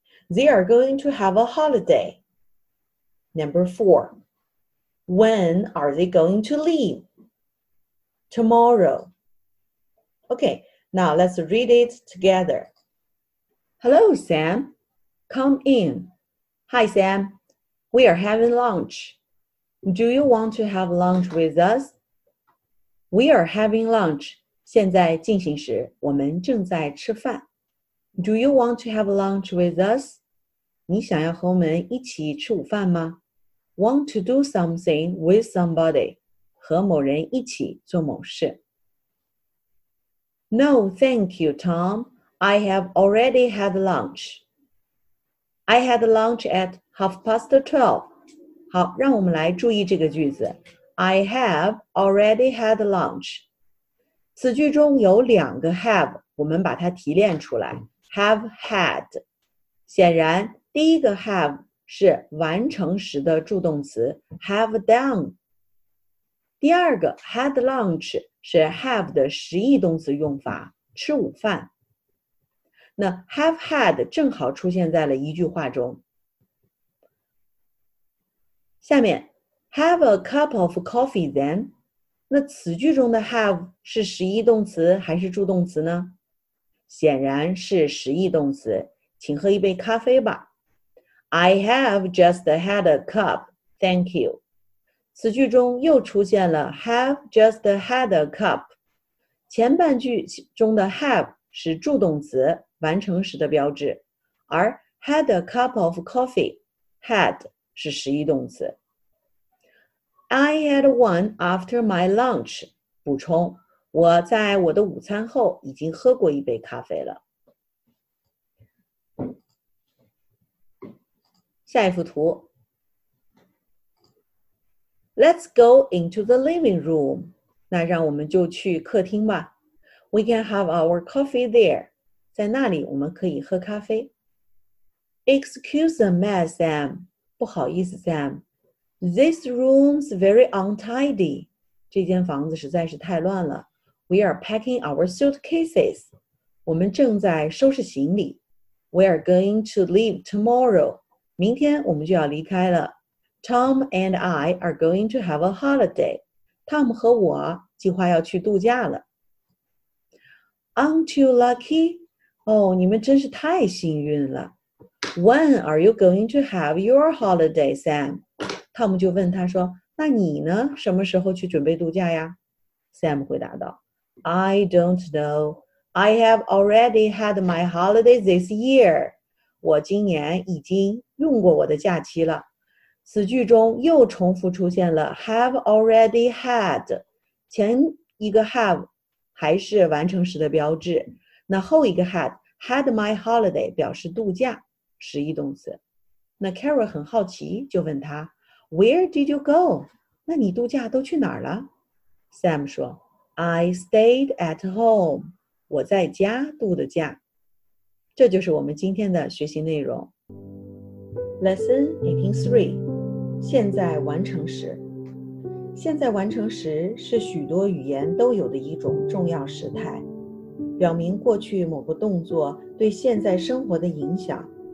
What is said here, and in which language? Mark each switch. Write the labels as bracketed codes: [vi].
[en] They are going to have a holiday. Number four, when are they going to leave? Tomorrow. Okay, now let's read it together. Hello, Sam. Come in. Hi, Sam. We are having lunch. Do you want to have lunch with us? We are having lunch. [zh] 现在进行时，我们正在吃饭。 [en] Do you want to have lunch with us? [zh] 你想要和我们一起吃午饭吗？ [en] Want to do something with somebody? [zh] 和某人一起做某事。 [en] No, thank you, Tom. I have already had lunch. I had lunch at 12:30. [zh] 好，让我们来注意这个句子。 [en] I have already had lunch. [zh] 此句中有两个 have, 我们把它提炼出来 ,have had。显然第一个 have 是完成时的助动词 ,have done。第二个 had lunch 是 have 的实义动词用法吃午饭。那 have had 正好出现在了一句话中。下面 , [en] have a cup of coffee then。 [zh] 那此句中的 have 是实义动词还是助动词呢？显然是实义动词，请喝一杯咖啡吧。 [en] I have just had a cup, thank you. [zh] 此句中又出现了 [en] have just had a cup。 [zh] 前半句中的 have 是助动词，完成时的标志，而 [en] had a cup of coffee, [zh] had 是实义动词。 [en] I had one after my lunch. [zh] 补充，我在我的午餐后已经喝过一杯咖啡了。下一幅图。 [en] Let's go into the living room. [zh] 那让我们就去客厅吧。 [en] We can have our coffee there. [zh] 在那里我们可以喝咖啡。 [en] Excuse the mess, Sam. [zh] 不好意思 [en] ,Sam. This room's very untidy. [zh] 这间房子实在是太乱了。 [en] We are packing our suitcases. [zh] 我们正在收拾行李。 [en] We are going to leave tomorrow. [zh] 明天我们就要离开了。 [en] Tom and I are going to have a holiday. [zh] Tom 和我计划要去度假了。 [en] Aren't you lucky? [zh] 哦，你们真是太幸运了。 [en] When are you going to have your holiday, Sam? [zh] Tom 就问他说，那你呢？什么时候去准备度假呀？ [en] Sam [zh] 回答道， [en] I don't know. I have already had my holiday this year. [zh] 我今年已经用过我的假期了。此句中又重复出现了 have already had， 前一个 have 还是完成时的标志，那后一个 had my holiday 表示度假，实义动词。那 Carol 很好奇，就问他 [en] Where did you go？ [zh] 那你度假都去哪儿了？ Sam 说 [en] I stayed at home， [zh] 我在家度的假。这就是我们今天的学习内容。Lesson 183，现在完成时。现在完成时是许多语言都有的一种重要时态，表明过去某个动作对现在生活的影响。